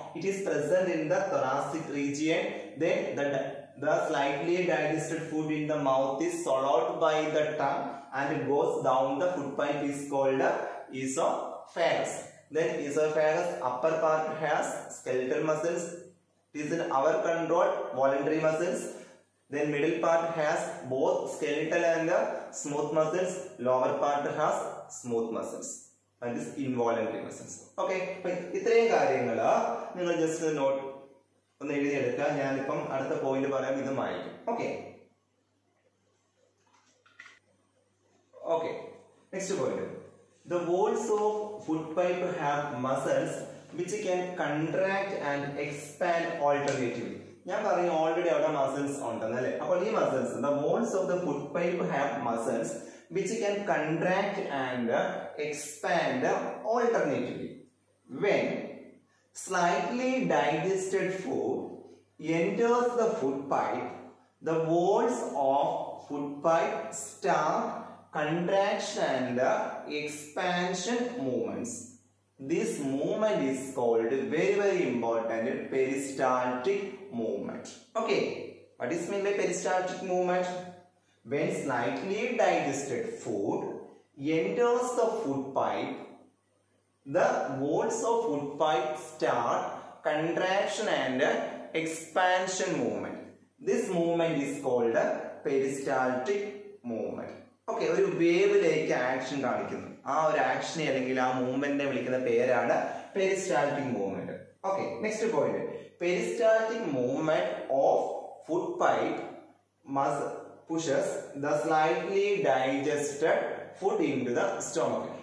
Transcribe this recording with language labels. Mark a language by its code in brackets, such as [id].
[en] It is present in the thoracic region. Then the slightly digested food in the mouth is swallowed by the tongue and it goes down the food pipe is called oesophagus. Then oesophagus upper part has skeletal muscles, it is in our control, voluntary muscles. Then middle part has both skeletal and smooth muscles. Lower part has smooth muscles. that is involuntary muscles. [ml] Okay, ഇത്രയും കാര്യങ്ങൾ നിങ്ങൾ [en] just note [ml] ഒന്ന് എഴുതി എടുക്ക. ഞാൻ ഇപ്പം അടുത്ത point പറയാം, ഇതുമായിരിക്കും. Okay. [en] Okay, next point. The walls of food pipe have muscles which can contract and expand alternatively. [ml] ഞാൻ പറഞ്ഞു ഓൾറെഡി അവിടെ മസിൽസ് ഉണ്ടെന്നല്ലേ. [en] അപ്പോൾ ഈ muscles, the walls of the food pipe have muscles which can contract and expand alternatively when slightly digested food enters the food pipe the walls of food pipe start contraction and expansion movements. This movement is called very very important peristaltic movement. Okay, what is meant by peristaltic movement? When slightly digested food enters the food pipe, the walls of food pipe start contraction and expansion movement. This movement is called peristaltic movement. [ml] Okay, ഒരു വേവിലേക്ക് action കാണിക്കുന്നു. ആ ഒരു ആക്ഷനെ അല്ലെങ്കിൽ ആ മൂവ്മെന്റിനെ വിളിക്കുന്ന പേരാണ് peristaltic movement. [en] Okay, next point, peristaltic movement of food pipe must pushes the slightly digested food into the stomach.